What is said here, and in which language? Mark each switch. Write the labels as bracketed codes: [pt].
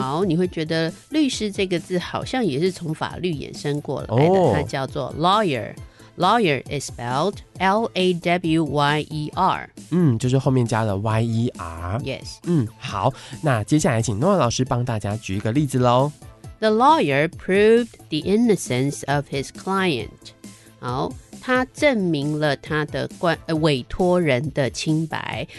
[zh] 好，你会觉得律师这个字好像也是从法律衍生过来的、它叫做 lawyer。 [en] Lawyer is spelled L-A-W-Y-E-R。 [zh] 就是后面加了 Y-E-R。 [en] Yes。 [zh] 好，那接下来请诺亚老师帮大家举一个例子咯。 [en] The lawyer proved the innocence of his client。 [zh] 好，他证明了他的委托人的清白。